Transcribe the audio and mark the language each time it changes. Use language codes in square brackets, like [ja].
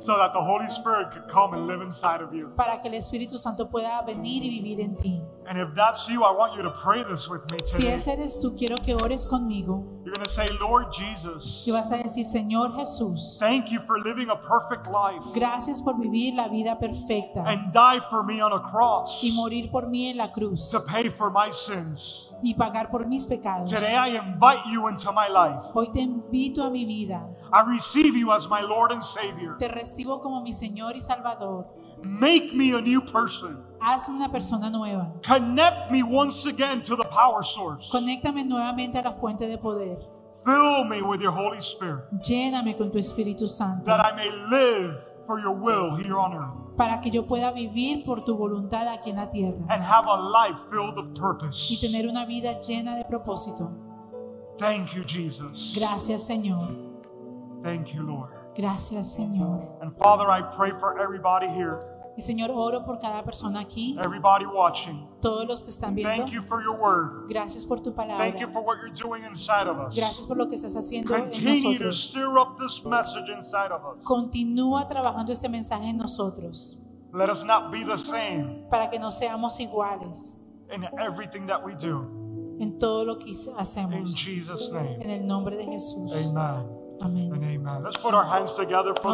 [en] So that the Holy Spirit can come and live inside of you. [es] Para que el Espíritu Santo pueda venir y vivir en ti. [en] And if that's you, I want you to pray this with me today. [es] Si ese eres tú, quiero que ores conmigo. [en] You're going to say, Lord Jesus. [es] Y vas a decir, Señor Jesús. [en] Thank you for living a perfect life. [es] Gracias por vivir la vida perfecta. [en] And die for me on a cross. [es] Y morir por mí en la cruz. [en] To pay for my sins. [es] Y pagar por mis pecados. [en] Today I invite you into my life. [es] Hoy te invito a mi vida. [en] I receive you as my Lord and Savior. [es] Te recibo como mi Señor y Salvador. [en] Make me a new person. [es] Hazme una persona nueva. [en] Connect me once again to the power source. [es] Conéctame nuevamente a la fuente de poder. [en] Fill me with your Holy Spirit. [es] Lléname con tu Espíritu Santo. [en] That I may live for your will here on earth. [es] Para que yo pueda vivir por tu voluntad aquí en la tierra. [en] And have a life filled of purpose. [es] Y tener una vida llena de propósito. [en] Thank you, Jesus. [es] Gracias, Señor. [en] Thank you, Lord. [es] Gracias, Señor. [en] And Father, I pray for everybody here. [es] Y Señor, oro por cada persona aquí. [en] Everybody watching. [es] Todos los que están viendo. [en] Thank you for your word. [es] Gracias por tu palabra. [en] Thank you for what you're doing inside of us. [es] Gracias por lo que estás haciendo [en] continue [es] en nosotros. [en] Continue to stir up this message inside of us. [es] Continúa trabajando este mensaje en nosotros. [en] Let us not be the same. [es] Para que no seamos iguales. [en] In everything that we do. [es] En todo lo que hacemos. [en] In Jesus' name. [es] En el nombre de Jesús. [en] Amen. [es] Amen. [en] And amen. Let's put our hands together for